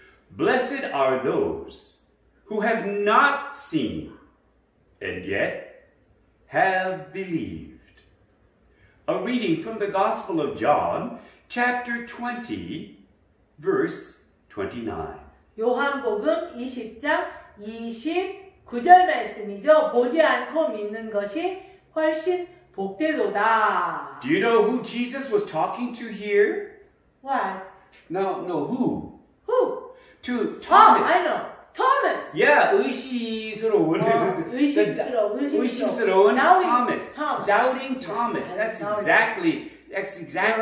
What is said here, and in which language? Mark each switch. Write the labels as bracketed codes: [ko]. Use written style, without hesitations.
[en] Blessed are those who have not seen and yet have believed. A reading from the Gospel of John, chapter 20, verse 29. [ko] 요한복음 20장 9절 말씀이죠. 보지 않고 믿는 것이 훨씬 복되도다. [en] Do you know who Jesus was talking to here? What? No, who? Who? To Thomas. Oh, I know. Thomas. [ko] Yeah, 의심스러운. 의심스러운 [en] Doubting Thomas. Thomas. Doubting Thomas. Yeah, that's Doubting. Exactly. That's exactly.